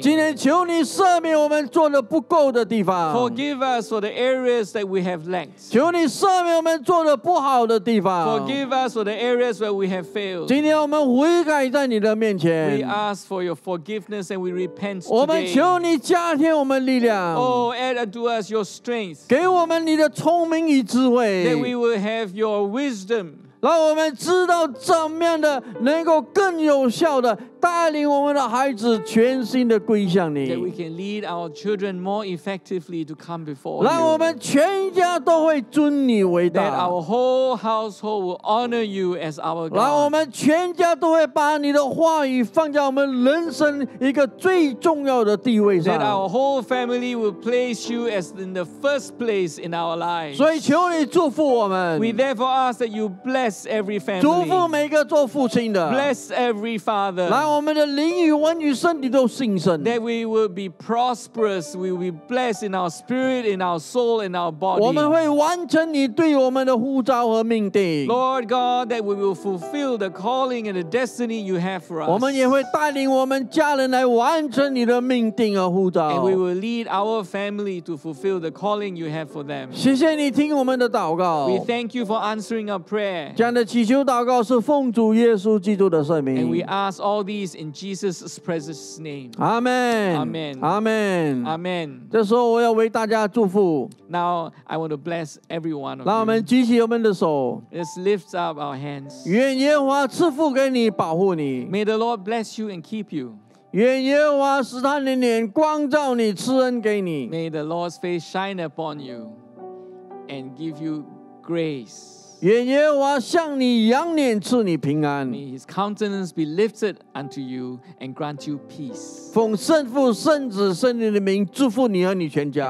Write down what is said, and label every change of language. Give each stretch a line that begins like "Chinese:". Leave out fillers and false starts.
Chinese: 今天求你赦免我们做的不够的地方。
English: Forgive us for the areas that we have lacked.
Chinese: 求你赦免我们做的不好的地方。
English: Forgive us for the areas where we have failed.
Chinese: 今天我们悔改在你的面前。
English: We ask for your forgiveness and we repent today.
Chinese: 我们求你加添我们力量。
English: Oh, add unto us your strength.
Chinese: 给我们你的聪明与智慧。
English: That we will have your wisdom.
Chinese: 让我们知道怎么样的能够更有效的带领我们的孩子全心的归向你。
English: That we can lead our children more effectively to come before you.
Chinese: 让我们全家都会尊你为大。
English: That our whole household will honor you as our God.
Chinese: 让我们全家都会把你的话语放在我们人生一个最重要的地位上。
English: That our whole family will place you as in the first place in our lives.
Chinese: 所以求你祝福我们。
English: We therefore ask that you bless every family.
Chinese: 祝福每个做父亲的。
English: Bless every father.
Chinese: 让我们的灵与魂与身体都兴盛。
English: That we will be prosperous, we will be blessed in our spirit, in our soul, in our body.
Chinese: 我们会完成你对我们的呼召和命定。
English: Lord God, that we will fulfill the calling and the destiny you have for us.
Chinese: 我们也会带领我们家人来完成你的命定和呼召。
English: And we will lead our family to fulfill the calling you have for them.
Chinese: 谢谢你听我们的祷告。
English: We thank you for answering our prayer.
Chinese: 这样的祈求祷告是奉主耶稣基督的圣名。
English: And we ask all these in Jesus' precious name. Amen. Amen. Amen. Amen.
Chinese: 这时候我要为大家祝福。
English: Now I want to bless every one of you.
Chinese: 让我们举起我们的手。
English: Let's lift up our hands.
Chinese: 愿耶和华赐福给你，保护你。
English: May the Lord bless you and keep you.
Chinese: 愿耶和华使他的脸光照你，赐恩给你。
English: May the Lord's face shine upon you and give you grace.
Chinese: 愿耶和华向你仰脸，赐你平安。
English: May his countenance be lifted unto you and grant you peace.
Chinese: 奉圣父、圣子、圣灵的名祝福你和你全家。